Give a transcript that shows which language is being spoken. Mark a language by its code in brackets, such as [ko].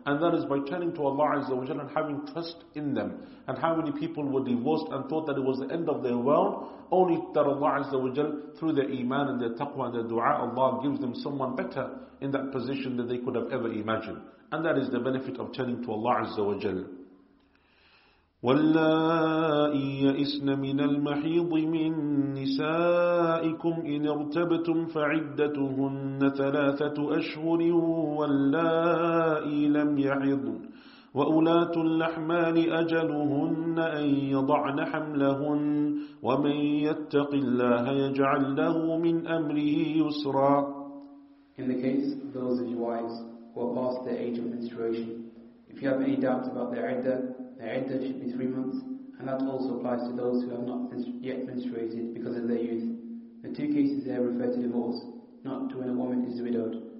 [en] And that is by turning to Allah Azza wa Jalla and having trust in them. And how many people were divorced and thought that it was the end of their world, only that Allah Azza wa Jalla, through their iman and their taqwa and their dua, Allah gives them someone better in that position than they could have ever imagined. And that is the benefit of turning to Allah Azza wa Jalla. [ar] واللائي يئسن من المحيض من نسائكم إن ارتبتم فعدتهن ثلاثة أشهر واللائي لم يحضن وأولاة الأحمال أجلهن أن يضعن حملهن ومن يتق الله يجعل له من أمره يسرا. [en] In the case of those of your wives who are past the age of menstruation, if you have any doubts about their iddah, their iddah should be 3 months, and that also applies to those who have not yet menstruated because of their youth. The two cases there refer to divorce, not to when a woman is widowed.